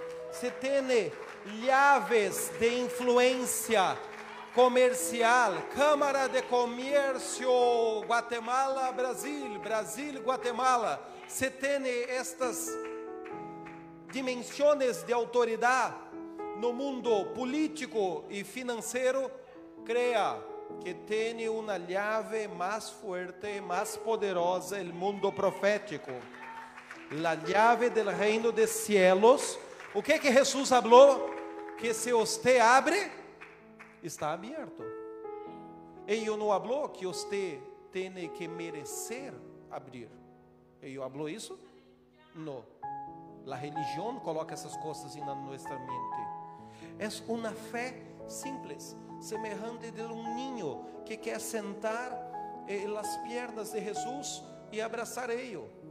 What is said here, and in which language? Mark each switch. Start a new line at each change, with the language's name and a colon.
Spanish: Se tiene llaves
Portuguese: de influência comercial, Câmara de Comércio Guatemala Brasil, Brasil Guatemala,
Spanish: se tiene estas
Portuguese: dimensões de autoridade no mundo político e financeiro, creia que tem uma llave mais forte, mais poderosa, o mundo profético.
Spanish: La llave del reino de cielos.
Portuguese: O que que Jesus falou? Que se você abre, está aberto. Ele não falou que você tem que merecer abrir. Ele falou isso? Não.
Spanish: La
Portuguese: religião coloca essas coisas na nossa mente. É uma fé simples, semelhante de um ninho que quer sentar nas pernas de Jesus e abraçar ele.